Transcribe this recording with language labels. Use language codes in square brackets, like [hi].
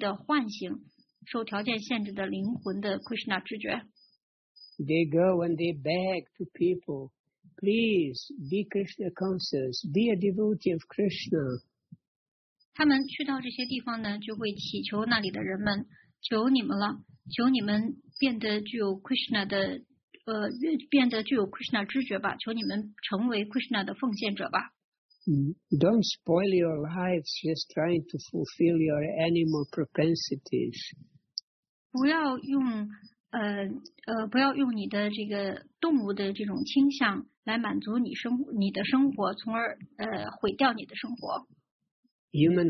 [zh] 对呢，他们会去到任何一个地方，任何一个需要他们的地方，他们都会去到那里，并且呢，努力的唤醒受条件限制的灵魂的 Krishna 知觉。 [en] They go and they beg to people, please be Krishna conscious, be a devotee of Krishna. [zh] 他们去到这些地方呢，就会祈求那里的人们，求你们了，求你们变得具有 Krishna 的，变得具有 Krishna 知觉吧，求你们成为 Krishna 的奉献者吧。 [en] Don't spoil your lives just trying to fulfill your animal propensities. [zh] 不要用你的这个动物的这种倾向来满足你的生活，从而毁掉你的生活。 [en] Human